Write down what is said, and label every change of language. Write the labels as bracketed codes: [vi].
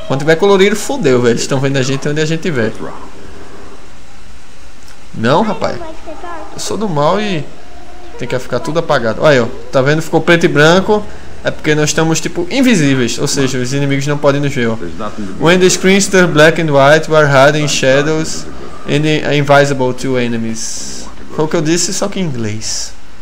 [pt] Quando tiver colorido, fodeu, velho. Eles estão vendo a gente onde a gente tiver. Não, rapaz. Eu sou do mal e tem que ficar tudo apagado. Olha aí, ó. Tá vendo? Ficou preto e branco. É porque nós estamos, tipo, invisíveis. Ou seja, os inimigos não podem nos ver, ó. [en] When the screens turn black and white, we are hiding in shadows and invisible to enemies. [pt] Foi o que eu disse, só que em inglês.